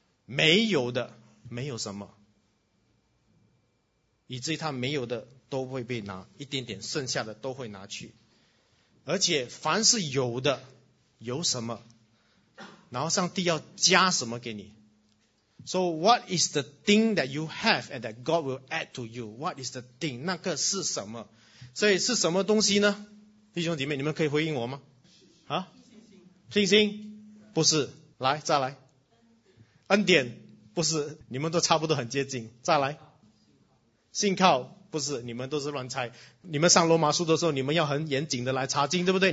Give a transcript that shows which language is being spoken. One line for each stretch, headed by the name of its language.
Chinese: 没有的没有什么，以至于他没有的都会被拿，一点点剩下的都会拿去。而且凡是有的有什么，然后上帝要加什么给你。
English: So what is the thing that you have and that God will add to you? What is the thing?
Chinese: 那个是什么？所以是什么东西呢？弟兄姐妹，你们可以回应我吗？啊？信心？不是。来，再来。恩典？不是。你们都差不多很接近。再来。信靠？不是，你们都是乱猜。你们上罗马书的时候，你们要很严谨的来查经，对不对？